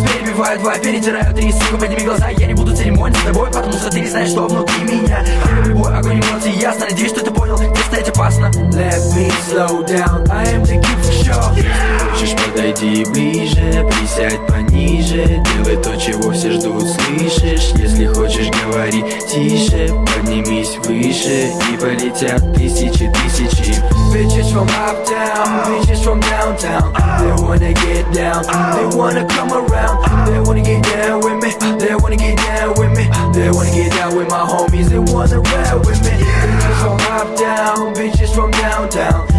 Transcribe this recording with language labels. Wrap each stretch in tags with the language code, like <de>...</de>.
<ru>Перебивают вайп, перетирают три, сука, подними глаза. Я не буду церемониться с тобой, потому что ты не знаешь, что внутри меня. Я любой огонь эмоций, ясно, надеюсь, что ты понял, где стоять опасно.</ru> <en>Let me slow down, I am the king for sure.</en> <ru>Хочешь, подойди ближе, присядь пониже. Делай то, чего все ждут, слышишь? Если хочешь, говори тише. Поднимись выше, и полетят тысячи, тысячи.</ru> <en>Bitches from uptown, bitches from downtown. They wanna get down, they wanna come around. They wanna get down with me, they wanna get down with me. They wanna get down with my homies, they wanna ride with me. Bitches from uptown, bitches from downtown.</en>